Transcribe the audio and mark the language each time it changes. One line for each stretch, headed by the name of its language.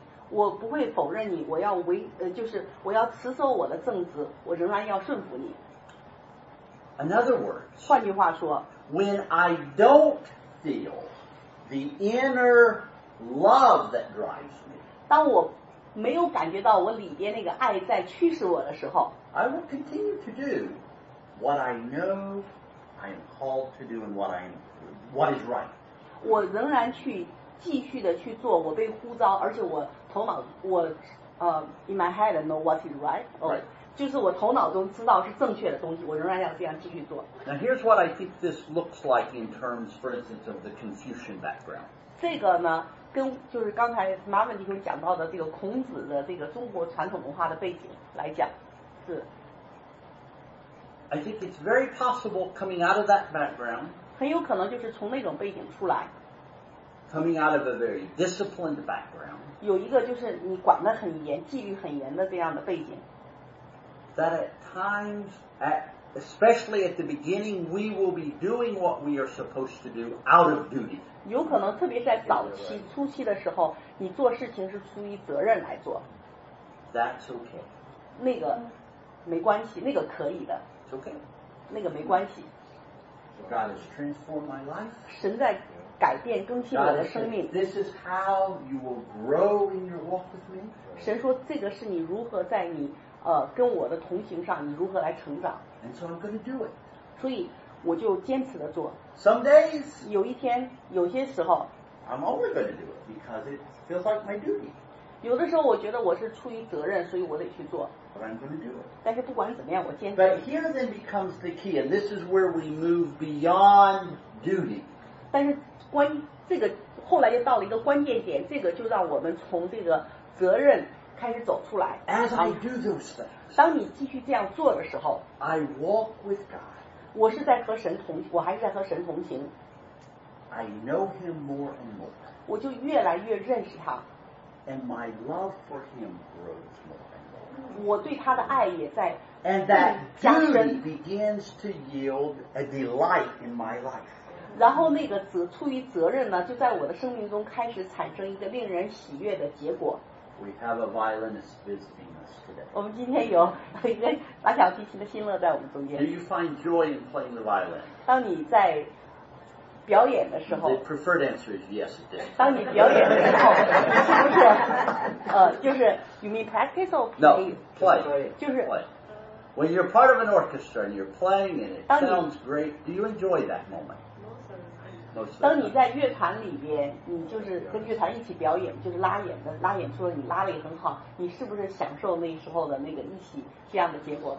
Chinese: 我不会否认你，我要就是我要持守我的正直，我仍然要顺服你。
English: In other words.
Chinese: 换句话说。
English: When I don't feel the inner. Love that drives me.
Chinese: 当我没有感觉到我里边那个爱在驱使我的时候
English: I will continue to do what I know I am called to do and what is right.
Chinese: 我仍然去继续的去做我被呼召而且我头脑我
English: in my head know what is right. Right.
Chinese: 就是我头脑中知道是正确的东西我仍然要这样继续做
English: Now here's what I think this looks like in terms, for instance, of the Confucian background.
Chinese: 这个呢跟就是刚才 Marvin 弟兄讲到的这个孔子的这个中国传统文化的背景来讲，是。
English: I think it's very possible coming out of that background.
Chinese: 很有可能就是从那种背景出来。
English: Coming out of a very disciplined background.
Chinese: 有一个就是你管得很严、纪律很严的这样的背景。
English: That at times, especially at the beginning, we will be doing what we are supposed to do out of duty.
Chinese: 有可能特别在早期初期的时候你做事情是出于责任来做
English: That's okay
Chinese: 那个没关系那个可以的
English: It's okay
Chinese: 那个没关系
English: God has transformed my life
Chinese: 神在改变更新我的生命
English: God said, This is how you will grow in your walk with me
Chinese: 神说这个是你如何在你跟我的同行上你如何来成长
English: And so I'm going to do it
Chinese: 所以我就坚持的做
English: Some days,
Chinese: 有一天有些时候
English: I'm always going to do it because it feels like my duty
Chinese: 有的时候我觉得我是出于责任所以我得去做
English: But I'm going to do it
Chinese: 但是不管怎么样我坚持
English: But here then becomes the key and this is where we move beyond duty
Chinese: 但是这个后来又到了一个关键点这个就让我们从这个责任开始走出来
English: As I do those things
Chinese: 当你继续这样做的时候
English: I walk with God
Chinese: 我是在和神同，我还是在和神同行。
English: I know him more and more.
Chinese: 我就越来越认识他。
English: And my love for him grows more and more.
Chinese: 我对他的爱也在加深。
English: And that duty begins to yield a delight in my life.
Chinese: 然后那个责出于责任呢，就在我的生命中开始产生一个令人喜悦的结果。
English: We have a violinist visiting us today.
Chinese: 我们今天有一个拉小提琴的新乐在我们中间。
English: Do you find joy in playing the violin?
Chinese: 当你在表演的时候。
English: The preferred answer is yes, it did.
Chinese: 当你表演的时候，是不是？就是
English: you mean practice or play? No, play.
Chinese: 就是
English: play. When you're part of an orchestra and you're playing and it sounds great, do you enjoy that moment?
Chinese: 当你在乐团里边，你就是跟乐团一起表演，就是拉演的，拉演出了你拉的也很好，你是不是享受那时候的那个一起这样的结果？